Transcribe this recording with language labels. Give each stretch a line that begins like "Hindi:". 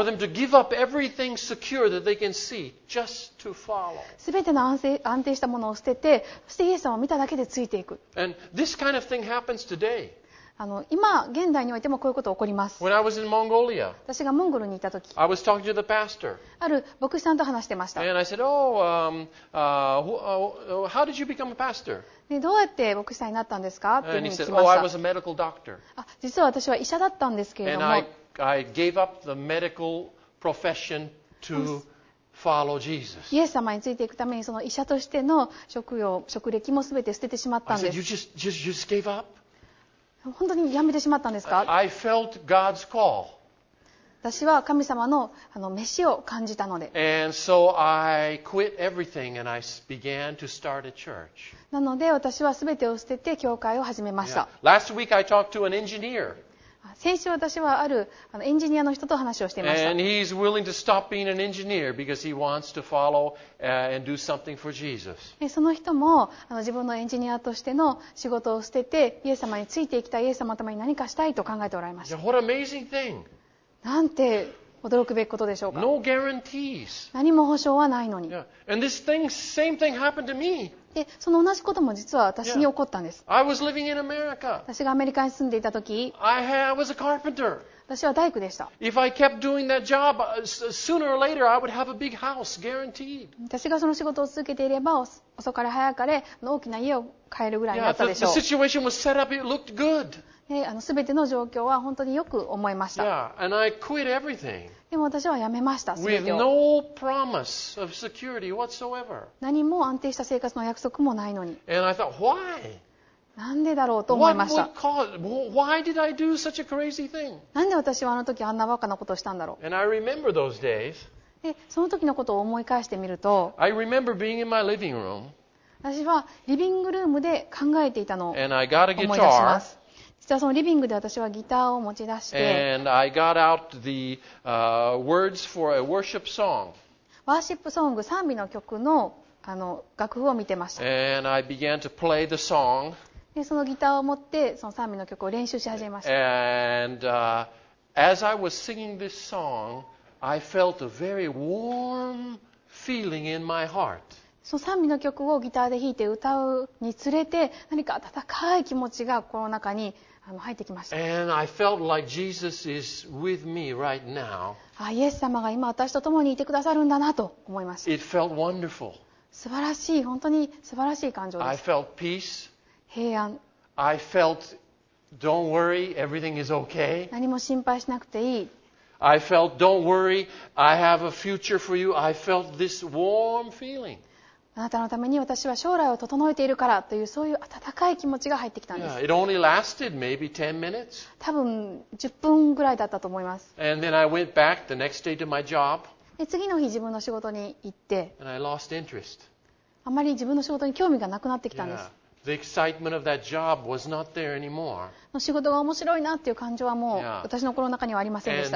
English: For them to give up everything secure that they can see just to follow.
Japanese: 全ての安定したものを捨てて、そしてイエス様を見ただけでついていく。
English: And this kind of thing happens today.
Japanese: 今現代においてもこういうこと起こります。
English: When I was in Mongolia,
Japanese: 私がモンゴルにいた時、
English: I was talking to the pastor.
Japanese: ある牧師さんと話してました。
English: And I said, "Oh, how did you become a pastor?"
Japanese: でどうやって牧師さんになったんですかというふうに聞きました。
English: And he said, "Oh, I was a medical doctor."
Japanese: 実は私は医者だったんですけれども。
English: And I gave up the medical profession to follow Jesus.
Japanese: イエス様についていくためにその医者としての職歴も全て捨ててしまったんです。
English: I said, you just gave up?"
Japanese: 本当にやめてしまったんですか。
English: I felt God's call.
Japanese: 私は神様の召しを感じたので。
English: And so I quit everything and I began to start a church.
Japanese: なので私は全てを捨てて教会を始めました。
English: Yeah. Last week I talked to an engineer.
Japanese: 先週私はあるエンジニアの人と話をしていました。
English: And he's willing to stop being an engineer because he wants to follow and do something for Jesus.
Japanese: その人も自分のエンジニアとしての仕事を捨てて、イエス様についていきたい、イエス様のために何かしたいと考えておられました。
English: Yeah, what amazing thing!
Japanese: なんて驚くべきことでしょうか。
English: No guarantees.
Japanese: 何も保証はないのに。
English: Yeah. And this thing, same thing happened to me.
Japanese: でその同じことも実は私に起こったんです。
English: Yeah. I was living in America.
Japanese: 私がアメリカに住んでいた時、
English: I was a carpenter.
Japanese: 私は大工でした。
English: If I kept doing that job, sooner or later I would have a big house guaranteed.
Japanese: 私がその仕事を続けていれば、遅かれ早かれ大きな家を買えるぐらいになったでしょう。
English: Yeah, the situation was set up, it looked good.
Japanese: で全ての状況は本当によく思いました。
English: Yeah, and I quit everything.
Japanese: でも私は辞めました。
English: With no promise of security whatsoever.
Japanese: 何も安定した生活の約束もないのに。
English: And I thought, why?
Japanese: なんでだろうと思いました。
English: Why did I do such a crazy thing?
Japanese: なんで私はあの時あんなバカなことをしたんだろう。
English: And I remember those days.
Japanese: でその時のことを思い返してみると、
English: I remember being in my living room.
Japanese: 私はリビングルームで考えていたのを思い出します。実はそのリビングで私はギターを持ち出して、
English: And I got out the, words for a worship song.
Japanese: ワーシップソング、賛美の曲の、楽譜を見てました。
English: And I began to play the song.
Japanese: でそのギターを持ってその賛美の曲を練習し始めました。
English: And, as I was singing this song, I felt a very warm feeling in my heart.
Japanese: その賛美の曲をギターで弾いて歌うにつれて何か温かい気持ちが心の中に入ってきました。
English: And I felt like Jesus is with me right now.
Japanese: イエス様が今私と共にいてくださるんだなと思いました。
English: It felt wonderful.
Japanese: 素晴らしい、本当に素晴らしい感情です。
English: I felt peace.
Japanese: 平安。
English: I felt, don't worry, everything is okay.
Japanese: 何も心配しなくていい。
English: I felt, don't worry, I have a future for you. I felt this warm feeling.
Japanese: あなたのために私は将来を整えているからというそういう温かい気持ちが入ってきたんです。
English: Yeah, it only lasted maybe 10 minutes.
Japanese: 多分10分ぐらいだったと思います。
English: And then I went back the next day to my job.
Japanese: で次の日自分の仕事に行って、
English: And I lost interest.
Japanese: あまり自分の仕事に興味がなくなってきたんです。
English: Yeah, the excitement of that job was not there anymore.
Japanese: の仕事が面白いなっていう感情はもう私の心の中にはありませんでした。